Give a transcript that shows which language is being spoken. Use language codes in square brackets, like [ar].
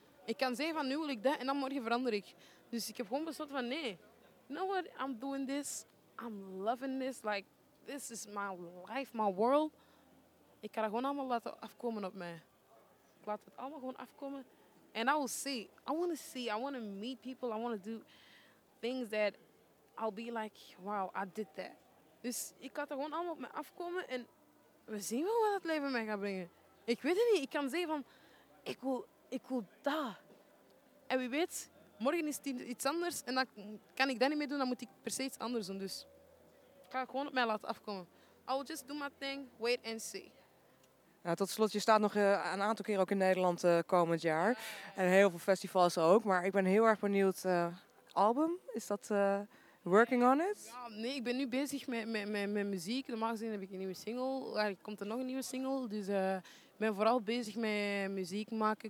[nl] Ik kan zeggen van, nu wil ik dat en dan morgen verander ik. Dus ik heb gewoon besloten van, nee. [en] You know what? I'm doing this. I'm loving this. Like, this is my life, my world. [nl] Ik kan dat gewoon allemaal laten afkomen op mij. Ik laat het allemaal gewoon afkomen. [en] And I will see. I want to see. I want to meet people. I want to do things that I'll be like, wow, I did that. [nl] Dus ik laat er gewoon allemaal op me afkomen en we zien wel wat het leven mij gaat brengen. Ik weet het niet. Ik kan zeggen van, ik wil dat. En wie weet, morgen is het iets anders en dan kan ik dat niet meer doen. Dan moet ik per se iets anders doen. Dus ik ga gewoon op mij laten afkomen. [en] I will just do my thing, wait and see. [nl] Nou, tot slot, je staat nog een aantal keer ook in Nederland komend jaar. En heel veel festivals ook. Maar ik ben heel erg benieuwd, album, is dat... [en] Working on it? [nl] Ja, nee, ik ben nu bezig met muziek. Normaal gezien heb ik een nieuwe single. Er komt er nog een nieuwe single. Dus ik ben vooral bezig met muziek maken.